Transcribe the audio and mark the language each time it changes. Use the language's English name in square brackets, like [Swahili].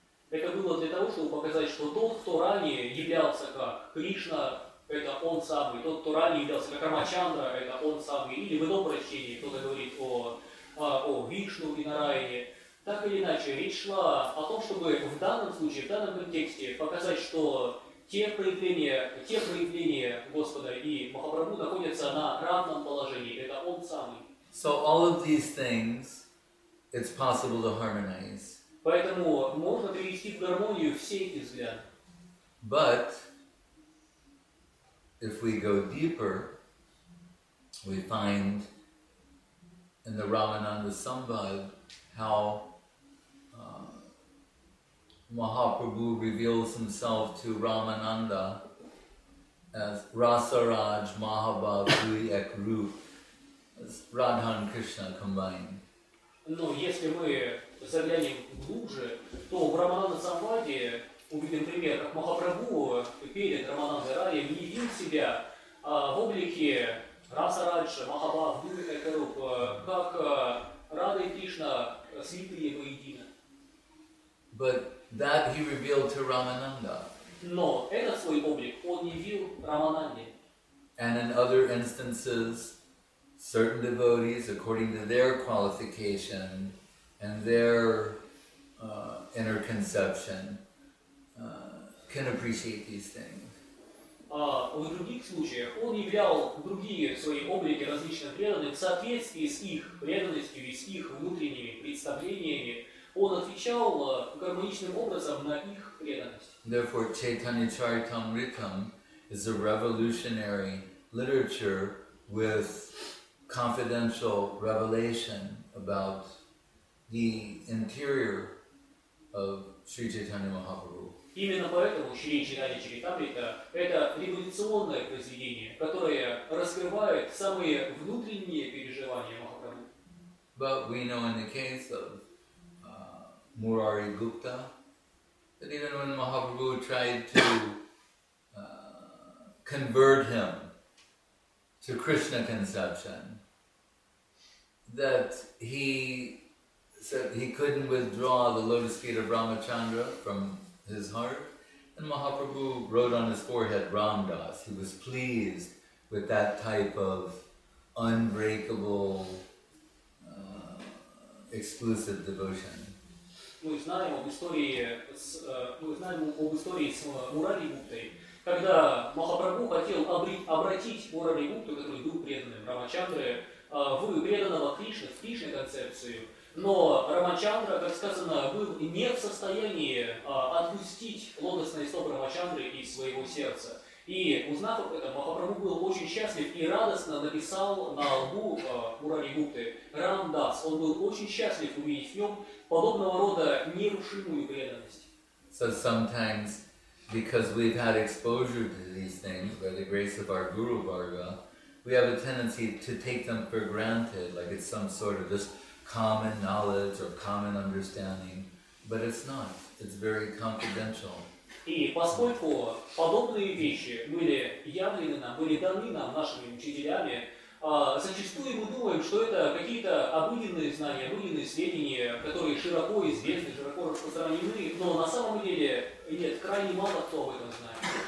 [Russian] Это было для того, чтобы показать, что тот, кто ранее являлся как Кришна, это он самый, тот, кто ранее являлся как Рамачандра, это он самый, или в ином прочтении, кто-то говорит о Вишну и Нараяне. Так или иначе, речь шла о том, чтобы в данном случае, в данном контексте показать, что те проявления Господа и Махапрабху находятся на равном положении, это он самый. [English] So all of these things, it's possible to harmonize. [Russian] Поэтому можно привести в гармонию все эти взгляды. [English] But if we go deeper, we find in the Ramananda Sambhava how Mahaprabhu reveals himself to Ramananda as Rasaraj Mahabhav Dui Ek Rup, as Radha and Krishna combined. [Russian] Но если мы заглянем глубже, то в Рамананда Самваде увидим пример, как Махапрабху перед Рамананда Раем явил себя в облике Расараджа Махабхав Дуи Ек Руп, как Рада и Кришна слиты его едино. [English] That he revealed to Ramananda. [Russian] Но этот свой облик он явил Рамананде. [English] And in other instances, certain devotees, according to their qualification and their inner conception, can appreciate these things. [Russian] В других случаях он являл другие свои облики различных преданных в соответствии с их преданностью и с их внутренними представлениями. Он отвечал гармоничным образом на их [English] Therefore, Chaitanya Charitamritam is a revolutionary literature with confidential revelation about the interior of Sri Chaitanya Mahaprabhu. [Russian] Именно поэтому Шри Чайтанья Чаритамрита – это революционное произведение, которое раскрывает самые внутренние переживания Махапрабху. [English] But we know in the case of Murari Gupta, that even when Mahaprabhu tried to convert him to Krishna conception, that he said he couldn't withdraw the lotus feet of Ramachandra from his heart, and Mahaprabhu wrote on his forehead Ramdas. He was pleased with that type of unbreakable, exclusive devotion. [Russian] Мы знаем об истории с, мы знаем об истории с Мурари Гуптой. Когда Махапрабху хотел обратить Мурари Гупту, который был преданным Рамачандры, в преданного Кришны, в Кришне концепцию, но Рамачандра, как сказано, был не в состоянии отпустить лотосные стопы Рамачандры из своего сердца. И узнав об этом, Махапрабху был очень счастлив и радостно написал на лбу Мурари Гупты «Рамдас». Он был очень счастлив увидеть в нем подобного рода нерушимую преданность. [English] So sometimes, because we've had exposure to these things by the grace of our Guru Bhargava, we have a tendency to take them for granted, like it's some sort of just common knowledge or common understanding, but it's not. It's very confidential. [Russian] И поскольку подобные вещи были явлены нам, были даны нам нашими учителями, зачастую мы думаем, что это какие-то обыденные знания, обыденные сведения, которые широко известны, широко распространены, но на самом деле нет, крайне мало кто об этом знает.